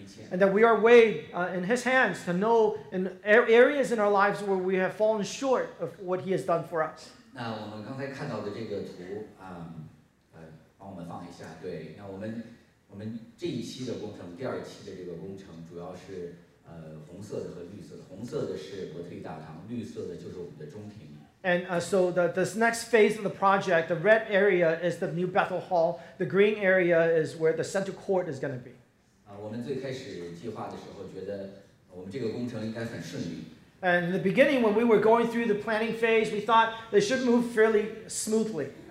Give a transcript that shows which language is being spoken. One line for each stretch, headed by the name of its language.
English: And that we are weighed in his hands to know in areas in our lives where we have fallen short of what he has done for us.
Chinese: 那我们刚才看到的这个图，帮我们放一下，对，那我们。我们这一期的工程，第二期的这个工程，主要是红色的和绿色的。红色的是伯特利大堂，绿色的就是我们的中庭。
English: And so this next phase of the project, the red area is the new Bethel Hall. The green area is where the center court is going to be.
Chinese: 我们最开始计划的时候，觉得我们这个工程应该很顺利。
English: And in the beginning, when we were going through the planning phase, we thought they should move fairly smoothly.